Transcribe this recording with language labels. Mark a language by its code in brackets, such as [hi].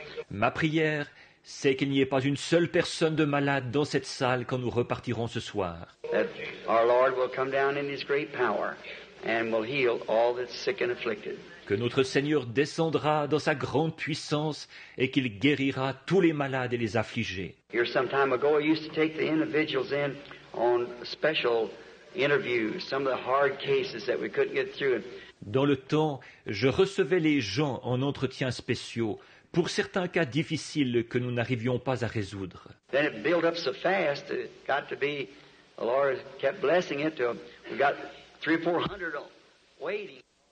[fr] Ma prière, c'est qu'il n'y ait pas une seule personne de malade dans cette salle quand nous repartirons ce soir. [en] That our Lord will come down in his great power and will heal all that's sick and afflicted. [fr] Que notre Seigneur descendra dans sa grande puissance et qu'il guérira tous les malades et les affligés. [en] Here some time ago, I used to take the individuals in on special interviews, some of the hard cases that we couldn't get through. [fr] Dans le temps, je recevais les gens en entretiens spéciaux pour certains cas difficiles que nous n'arrivions pas à résoudre. [en] Then it built up so fast, it got to be, the Lord kept blessing it to, we got 300 or 400 waiting.